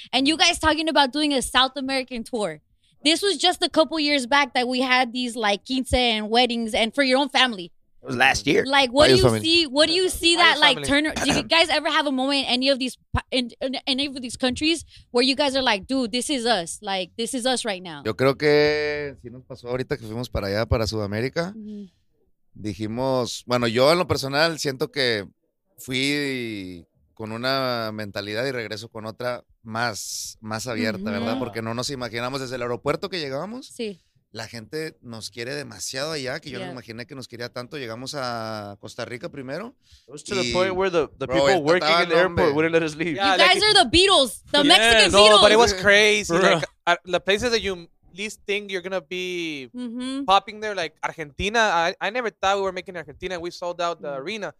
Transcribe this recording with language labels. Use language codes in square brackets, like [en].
[en] And you guys talking about doing a South American tour. This was just a couple years back that we had these like quince and weddings and for your own family. It was last year. Like, what do you see that like turn? Do you guys ever have a moment in any of these countries where you guys are like, dude, this is us. Like, this is us right now. [es] Yo creo que si nos pasó ahorita que fuimos para allá, para Sudamérica, dijimos, bueno, yo en lo personal siento que fui con una mentalidad y regreso con otra más abierta, ¿verdad? Porque no nos imaginamos desde el aeropuerto que llegábamos. Sí. La gente nos quiere demasiado allá, que yo no imaginé que nos quería tanto. Llegamos a Costa Rica primero. [en] It was to the point where the people working in the airport wouldn't let us leave. Yeah, you guys are the Beatles, the Mexican Beatles. No, but it was crazy. Like, the places that you least think you're going to be popping there, like Argentina. I never thought we were making Argentina. We sold out the arena.